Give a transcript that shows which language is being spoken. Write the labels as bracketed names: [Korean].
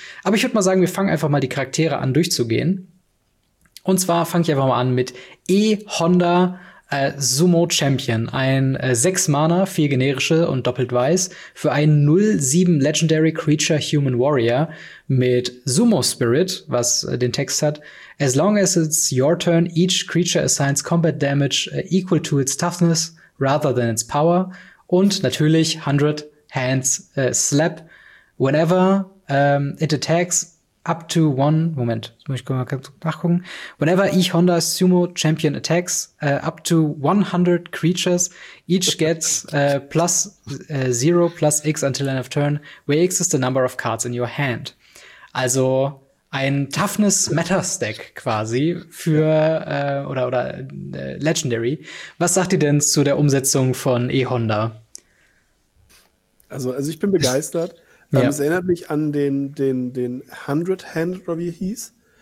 [German] Aber ich würde mal sagen, wir fangen einfach mal die Charaktere an, durchzugehen. Und zwar fange ich einfach mal an mit E. Honda Sumo Champion. Ein 6 Mana, 4 generische und doppelt weiß für einen 0/7 Legendary Creature Human Warrior mit Sumo Spirit, was den Text hat. [English] As long as it's your turn, each creature assigns combat damage equal to its toughness rather than its power. [German] Und natürlich 100 hands slap. [English] Whenever it attacks up to one, [German] Moment, jetzt muss ich mal kurz nachgucken. [English] Whenever E. Honda Sumo Champion attacks up to 100 creatures, each gets plus x until end of turn, where x is the number of cards in your hand. [German] Also ein Toughness-Meta-Stack quasi für Legendary. Was sagt ihr denn zu der Umsetzung von E-Honda? Also ich bin begeistert. Ja. Es erinnert mich an den 100 Hand, oder wie er hieß.